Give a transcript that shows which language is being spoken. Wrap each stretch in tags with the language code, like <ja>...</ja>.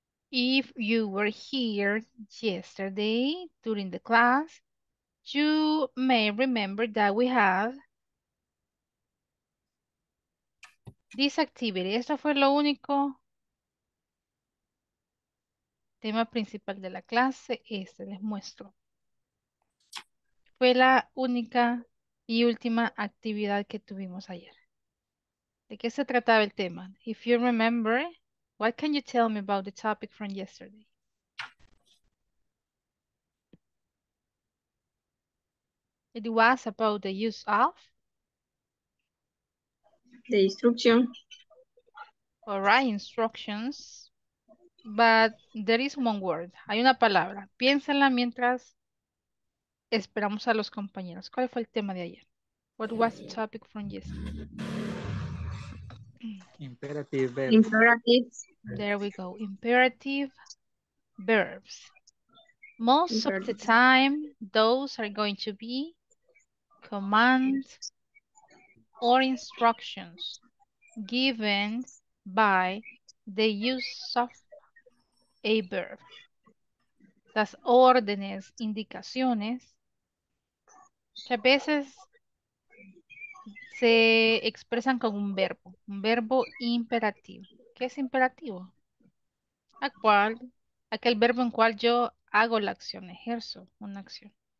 <en>If you were here yesterday during the class, you may remember that we have this activity.</en> <es>Esto fue lo único tema principal de la clase. Este les muestro. Fue la única y última actividad que tuvimos ayer. ¿De qué se trataba el tema?</es> <en>If you remember, what can you tell me about the topic from yesterday? It was about the use of.</en> <es>De instrucción.</es> <en>All right, instructions, but there is one word.</en> <es>Hay una palabra. Piénsala mientras esperamos a los compañeros. ¿Cuál fue el tema de ayer?</es> <en>What was the topic from yesterday? Imperative Imperatives. There we verbs. go. Imperative verbs. Most of the Imperative. time, those are going to be commands or instructions given by the use of a verb.</en> <es>Las órdenes, indicaciones, que a veces se expresan con un verbo imperativo. ¿Qué es imperativo? Aquel verbo en cual yo hago la acción, ejerzo una acción.</es>